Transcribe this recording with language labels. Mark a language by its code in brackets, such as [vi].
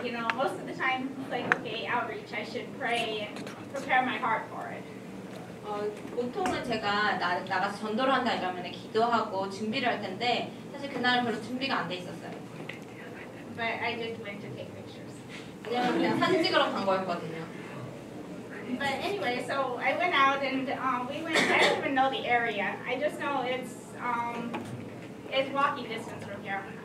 [en] You know, most of the time, like okay, outreach, I should pray and prepare my heart for it. [ko] 보통은 제가 나가서 전도를 한다 이러면 기도하고 준비를 할 텐데 사실 그날은 별로 준비가 안 돼 있었어요. [en] But I just went to take pictures. [ko] 왜냐면 그냥 사진 찍으러 간 거였거든요. [en] But anyway, so I went out and I don't even know the area. I just know it's walking distance from here.